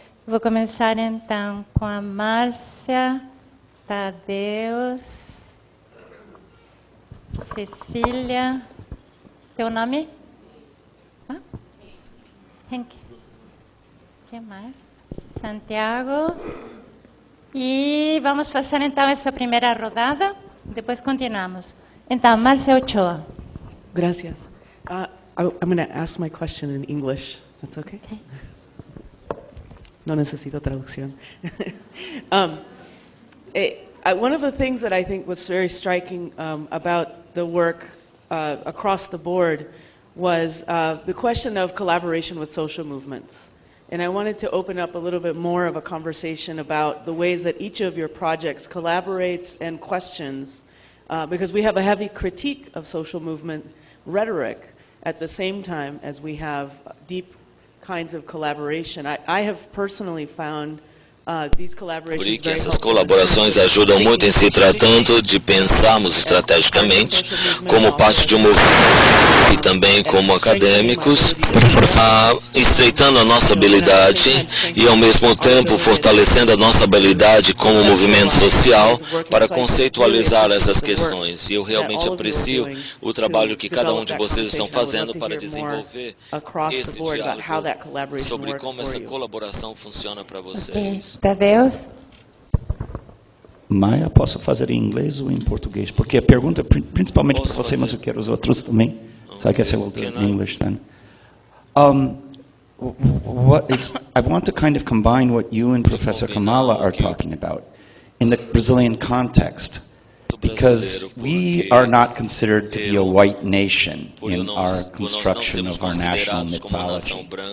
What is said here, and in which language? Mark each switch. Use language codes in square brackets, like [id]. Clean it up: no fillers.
[pt] Vou começar então com a Márcia, Tadeus, Cecília. Teu nome? Ah? Henk. Quem mais? Santiago. E vamos passar então essa primeira rodada, depois continuamos. Então, Marcia Ochoa. [es] Gracias. [en] I'm going to ask my question in English. That's okay? Okay. [es] No necesito traducción. [en] One of the things that I think was very striking about the work across the board was the question of collaboration with social movements. And I wanted to open up a little bit more of a conversation about the ways that each of your projects collaborates and questions, because we have a heavy critique of social movement rhetoric at the same time as we have deep kinds of collaboration. I have personally found [pt] por isso que essas colaborações ajudam muito em se tratando de pensarmos estrategicamente como parte de um movimento e também como acadêmicos, estreitando a nossa habilidade e ao mesmo tempo fortalecendo a nossa habilidade como movimento social para conceitualizar essas questões. E eu realmente aprecio o trabalho que cada um de vocês estão fazendo para desenvolver esse diálogo sobre como essa colaboração funciona para vocês. Tadeus? Maia, posso fazer em inglês ou em português? Porque a pergunta é principalmente para você, mas eu quero os outros também. Será que é em inglês, then? [en] I want to kind of combine what you and Professor Kamala are talking about in the Brazilian context. because we are not considered to be a white nation in our construction of our national mythology.